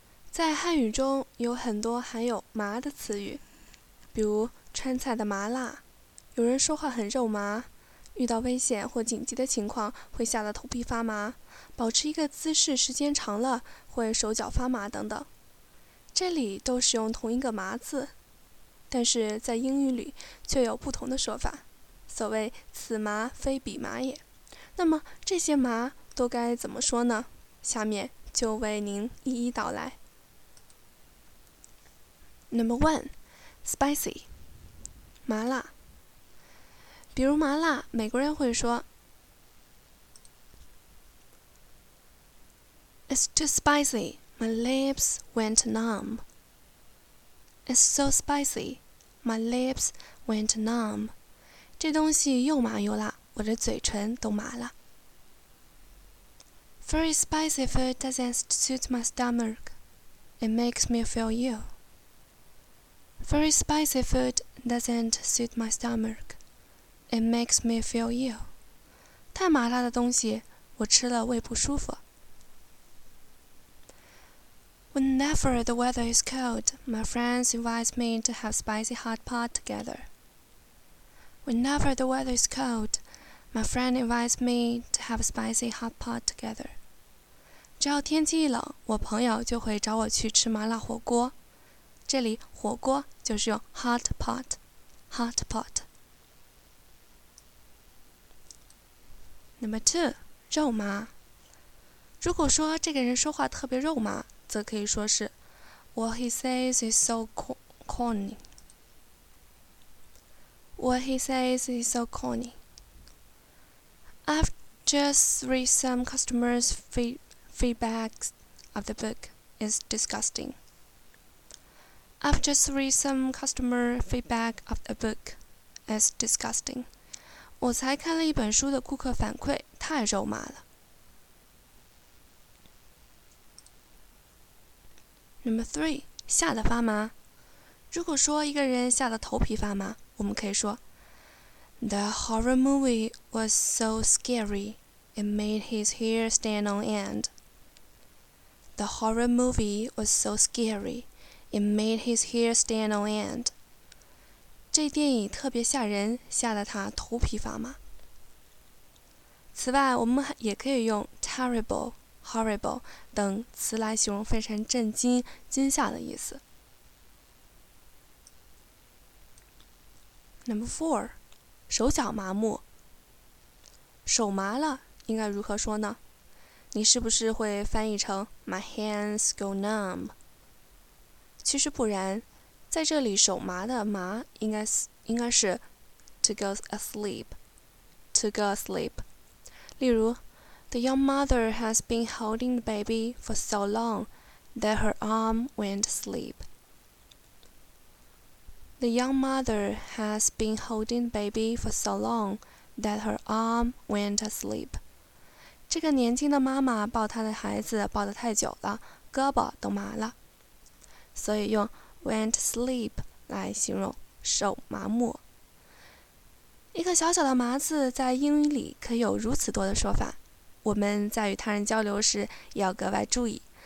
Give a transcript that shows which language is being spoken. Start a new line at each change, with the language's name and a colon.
Chinese: 在汉语中有很多含有麻的词语，比如川菜的麻辣，有人说话很肉麻，遇到危险或紧急的情况会吓得头皮发麻，保持一个姿势时间长了会手脚发麻等等。这里都使用同一个麻字，但是在英语里却有不同的说法，所谓此麻非彼麻也。那么这些麻都该怎么说呢？下面就为您一一道来。
English: Number one, spicy, 麻辣。
Chinese: 比如麻辣，美国人会说
English: It's too spicy, my lips went numb. It's so spicy, my lips went numb.
Chinese: 这东西又麻又辣，我的嘴唇都麻了。
English: Very spicy food doesn't suit my stomach. It makes me feel ill. Very spicy food doesn't suit my stomach. It makes me feel ill.
Chinese: 太麻辣的东西，我吃了胃不舒服。
English: Whenever the weather is cold, my friends invite me to have spicy hot pot together. Whenever the weather is cold, my friend invites me to have spicy hot pot together.
Chinese: 只要天气一冷，我朋友就会找我去吃麻辣火锅。这里火锅就是用 hot pot, hot pot.
English: Number two, 肉麻。
Chinese: 如果说这个人说话特别肉麻，则可以说是
English: What he says is so corny. What he says is so corny. I've just read some customers' feedback of the book is disgusting. I've just read some customer feedback of the book is disgusting.
Chinese: 我才看了一本书的顾客反馈，太肉麻了。
English: Number three,
Chinese: 吓得发麻。如果说一个人吓得头皮发麻，我们可以说
English: The horror movie was so scary, it made his hair stand on end. The horror movie was so scary, it made his hair stand on end.
Chinese: 这电影特别吓人，吓得他头皮发麻。此外，我们也可以用 terrible, horrible 等词来形容非常震惊、惊吓的意思。
English: Number four,
Chinese: 手脚麻木。手麻了，应该如何说呢？你是不是会翻译成
English: My hands go numb?
Chinese: 其实不然，在这里手麻的麻应该是
English: To go asleep. To go asleep. 例如 The young mother has been holding the baby for so long that her arm went asleep. The young mother has been holding the baby for so long that her arm went asleep.
Chinese: 这个年轻的妈妈抱她的孩子抱得太久了，胳膊都麻了，所以用
English: went sleep
Chinese: 来形容手麻木。一个小小的麻字在英语里可以有如此多的说法，我们在与他人交流时也要格外注意。